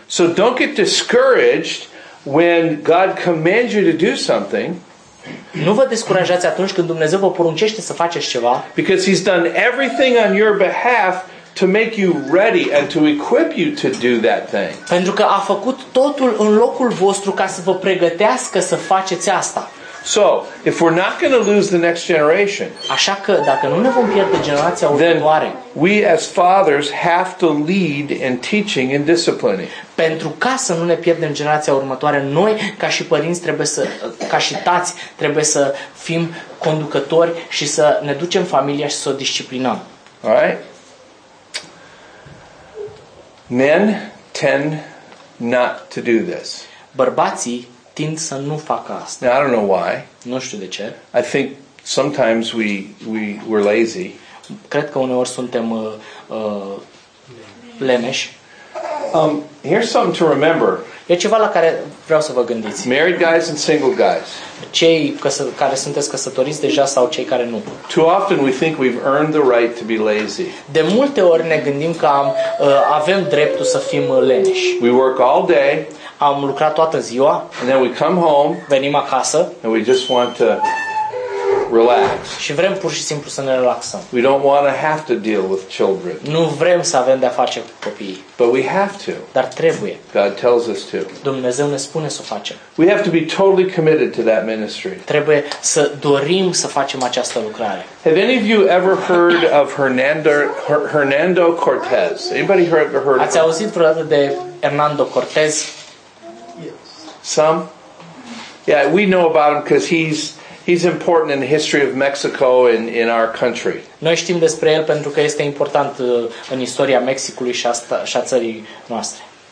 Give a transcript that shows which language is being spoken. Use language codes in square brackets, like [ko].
[en] So don't get discouraged when God commands you to do something. [ro] Nu vă descurajați atunci când Dumnezeu vă poruncește să faceți ceva. [en] Because he's done everything on your behalf to make you ready and to equip you to do that thing. [ro] Pentru că a făcut totul în locul vostru ca să vă pregătească să faceți asta. [en] So, if we're not going to lose the next generation, [ro] așa că dacă nu ne vom pierde generația următoare, [en] we as fathers have to lead in teaching and disciplining. [ro] Pentru ca să nu ne pierdem generația următoare, noi ca și părinți trebuie să, ca și tați, trebuie să fim conducători și să ne ducem familia și să o disciplinăm. [en] All right? Men tend not to do this. [ro] Bărbații tind să nu facă asta. [en] Now, I don't know why. [ro] Nu știu de ce. [en] I think sometimes we're lazy. [ro] Cred că uneori suntem leneși. [en] Here's something to remember. [ro] E ceva la care vreau să vă gândiți. [en] Married guys and single guys. [ro] Cei care sunteți căsătoriți deja sau cei care nu. [en] Too often we think we've earned the right to be lazy. [ro] De multe ori ne gândim că avem dreptul să fim leneși. [en] We work all day. [ro] Am lucrat toată ziua. [en] And then we come home. [ro] Venim acasă. [en] And we just want to relax. [ro] Și vrem pur și simplu să ne relaxăm. [en] We don't want to have to deal with children. [ro] Nu vrem să avem de-a face cu copiii. [en] But we have to. [ro] Dar trebuie. [en] God tells us to. [ro] Dumnezeu ne spune să o facem. [en] We have to be totally committed to that ministry. [ro] Trebuie să dorim să facem această lucrare. [en] Have any of you ever heard of Hernando Cortez? Anybody heard [ro] ați auzit vreodată de Hernando Cortez? [en] Some? Yeah, we know about him because he's important in the history of Mexico and in our country. [ro] Noi știm despre el pentru că este important în istoria Mexicului și a țării noastre.